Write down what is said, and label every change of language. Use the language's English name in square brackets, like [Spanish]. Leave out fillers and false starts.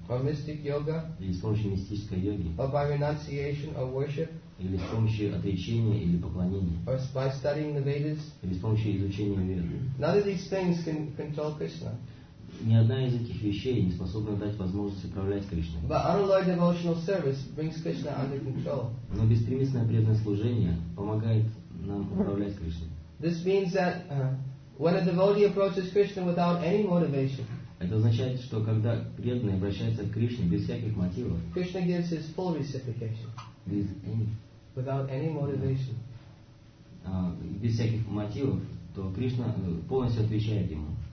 [English] Or mystic yoga. [Russian] Или с помощью мистической йоги. [English] Or by renunciation or worship. [Russian] Или с помощью отречения или поклонения. [English] Or by studying the Vedas. [Russian] Или с помощью изучения Вед. [English] None of these things can control Krishna. [Russian] Ни одна из этих вещей не способна дать возможность управлять Кришной. [English] But unalloyed devotional service brings Krishna under control. [Russian] Но беспримесное преданное служение помогает нам управлять Кришной. [English] This means that when a devotee approaches Krishna without any motivation, [Russian] это означает, что когда преданный обращается к Кришне без всяких мотивов, [English] Krishna gives his full reciprocation. [Russian] Без any. [English] Without any motivation. [Russian] Без всяких мотивов, то Кришна полностью отвечает ему.